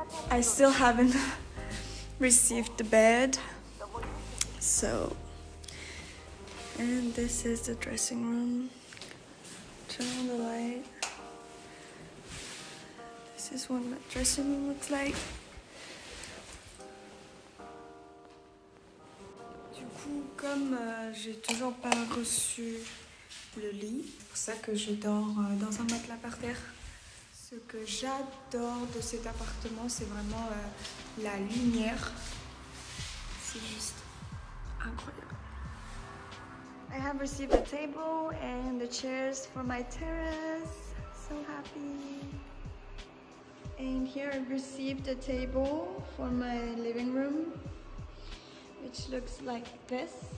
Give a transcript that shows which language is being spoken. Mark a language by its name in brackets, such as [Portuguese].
[English] I still haven't received the bed. So, and this is the dressing room. Turn on the light. This is what my dressing room looks like. [French] Du coup, comme j'ai toujours pas reçu le lit, pour ça que je dors dans un matelas par terre. Ce que j'adore de cet appartement, c'est vraiment la lumière. C'est juste incroyable. [English] I have received a table and the chairs for my terrace. So happy. And here I've received a table for my living room, which looks like this.